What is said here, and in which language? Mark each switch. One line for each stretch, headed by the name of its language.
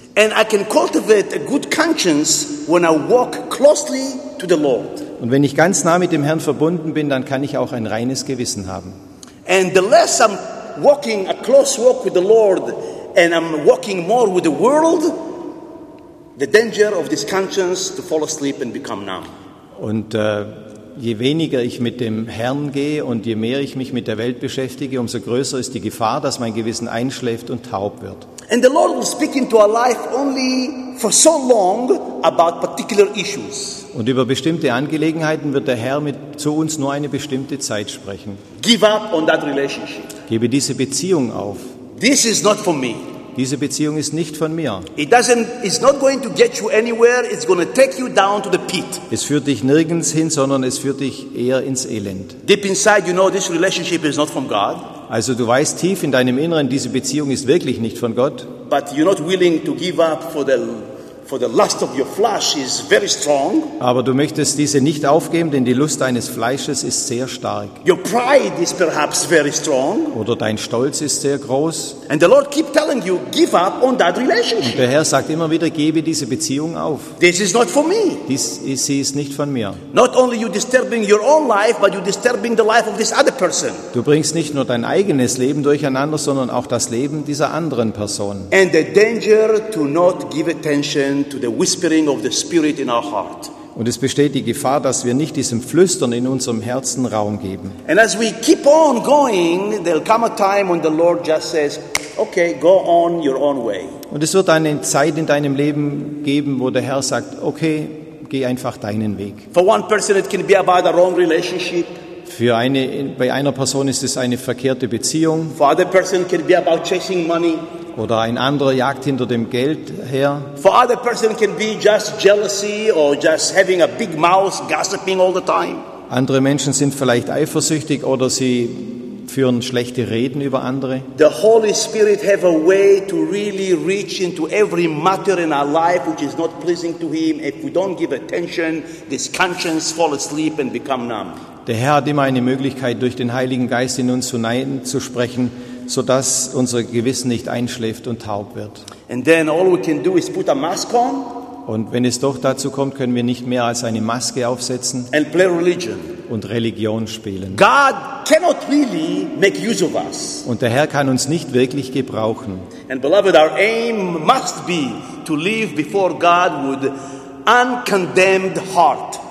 English: And I can cultivate a good conscience when I walk closely to the Lord.
German: Und wenn ich ganz nah mit dem Herrn verbunden bin, dann kann ich auch ein reines Gewissen haben.
English: And the less I'm walking a close walk with the Lord and I'm walking more with the world, the danger of this conscience to fall asleep and become numb.
German: Und je weniger ich mit dem Herrn gehe und je mehr ich mich mit der Welt beschäftige, umso größer ist die Gefahr, dass mein Gewissen einschläft und taub wird.
English: And the Lord will speak into our life only for so long about particular issues.
German: Und über bestimmte Angelegenheiten wird der Herr zu uns nur eine bestimmte Zeit sprechen.
English: Give up on that relationship.
German: Gebe diese Beziehung auf.
English: This is not for me.
German: Diese Beziehung ist nicht von mir.
English: It's not going to get you anywhere. It's going to take you down to the pit.
German: Es führt dich nirgends hin, sondern es führt dich eher ins Elend.
English: Deep inside, you know this relationship is not from God.
German: Also du weißt tief in deinem Inneren, diese Beziehung ist wirklich nicht von Gott.
English: But you're not willing to give up for the lust of your flesh is very strong.
German: Aber du möchtest diese nicht aufgeben, denn die Lust deines Fleisches ist sehr stark.
English: Your pride is perhaps very strong.
German: Oder dein Stolz ist sehr groß.
English: And the Lord keep telling you, give up on that relationship.
German: Und der Herr sagt immer wieder, gebe diese Beziehung auf.
English: This is not for me.
German: Sie ist nicht von mir.
English: Not only you disturbing your own life, but you disturbing the life of this other person.
German: Du bringst nicht nur dein eigenes Leben durcheinander, sondern auch das Leben dieser anderen Person.
English: And the danger to not give attention to the whispering of the Spirit in our heart.
German: Und es besteht die Gefahr, dass wir nicht diesem Flüstern in unserem Herzen Raum geben.
English: And as we keep on going, there'll come a time when the Lord just says, okay, go on your own way.
German: Und es wird eine Zeit in deinem Leben geben, wo der Herr sagt, okay, geh einfach deinen Weg.
English: For one person it can be about a wrong relationship.
German: Bei einer Person ist es eine verkehrte Beziehung.
English: For other person it can be about chasing money.
German: Oder ein anderer jagt hinter dem Geld her.
English: For other person can be just jealousy or just having a big mouth gossiping all the time.
German: Andere Menschen sind vielleicht eifersüchtig oder sie führen schlechte Reden über andere.
English: The Holy Spirit have a way to really reach into every matter in our life which is not pleasing to him. If we don't give attention, this conscience falls asleep and become numb.
German: Der Herr hat immer eine Möglichkeit, durch den Heiligen Geist in uns hinein zu sprechen, sodass unser Gewissen nicht einschläft und taub wird.
English: And then all we can do is put a mask on.
German: Und wenn es doch dazu kommt, können wir nicht mehr als eine Maske aufsetzen
English: and play religion.
German: Und Religion spielen.
English: God cannot really make use of us.
German: Und der Herr kann uns nicht wirklich gebrauchen.
English: And beloved, our aim must be to live before God with uncondemned heart.